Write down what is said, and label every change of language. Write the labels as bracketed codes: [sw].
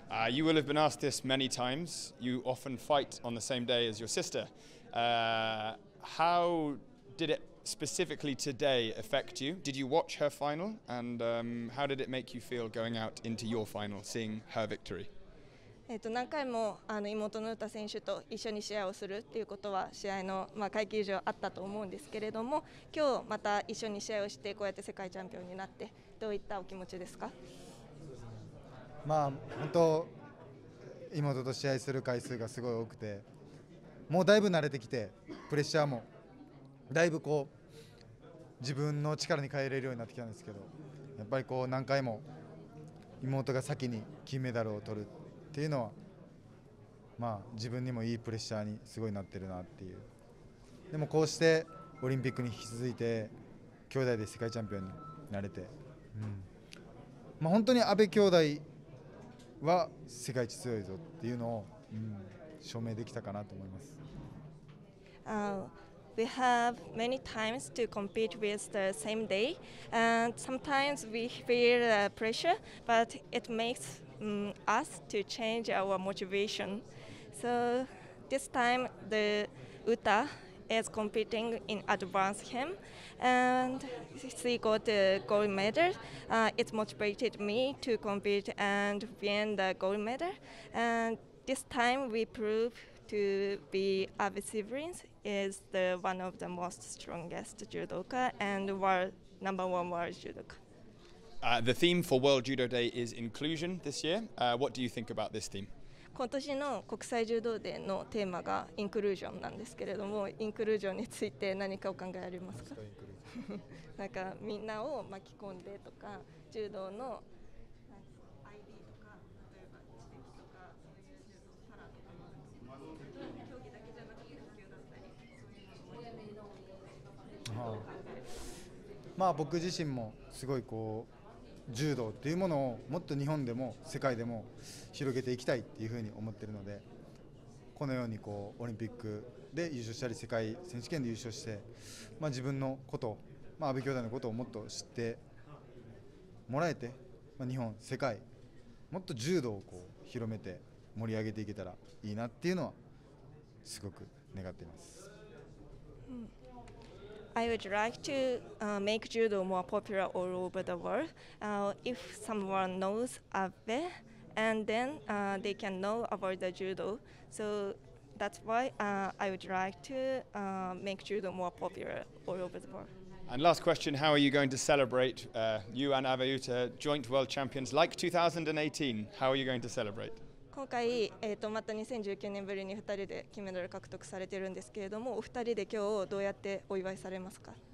[en] You will have been asked this many times. You often fight on the same day as your sister. How did it specifically today affect you? Did you watch her final, and how did it make you feel going out into your final, seeing her victory? [ja] 何回も妹の詩選手と一緒に試合をするということは試合の階級上あったと思うんですけれども、今日また一緒に試合をしてこうやって世界チャンピオンになって、どういったお気持ちですか？本当妹と試合する回数がすごい多くて、もうだいぶ慣れてきて、プレッシャーもだいぶ自分の力に変えれるようになってきたんですけど、やっぱり何回も妹が先に金メダルを取るっていうのは、自分にもいいプレッシャーにすごいなってるなっていう。でもこうしてオリンピックに引き続いて兄弟で世界チャンピオンになれて、本当に阿部兄弟は世界一強いぞっていうのを、証明できたかなと思います。 [en] We have many times to compete with the same day, and sometimes we feel the pressure, but it makes us to change our motivation. So this time the Uta is competing in advance him, and she got a gold medal. It motivated me to compete and win the gold medal. And this time we prove to be Abe siblings. Is the one of the most strongest judoka and number one world judoka. The theme for World Judo Day is inclusion this year. What do you think about this theme? [ja] 今年の国際柔道デーのテーマがインクルージョンなんですけれども、インクルージョンについて何かお考えありますか？なんかみんなを巻き込んでとか、柔道の ID とか、例えばまあ、僕自身もすごいこう柔道というものをもっと日本でも世界でも広げていきたいというふうに思っているので、このようにこうオリンピックで優勝したり世界選手権で優勝して、まあ、自分のこと、まあ、阿部兄弟のことをもっと知ってもらえて、まあ、日本、世界もっと柔道をこう広めて盛り上げていけたらいいなっていうのはすごく願っています。 [en] I would like to make judo more popular all over the world. If someone knows Abe, and then they can know about the judo. So that's why I would like to make judo more popular all over the world. And last question, how are you going to celebrate you and Abe Uta, joint world champions like 2018? How are you going to celebrate? [ja] 今回、また2019年ぶりに2人で金メダル獲得されているんですけれども、お二人で今日どうやってお祝いされますか？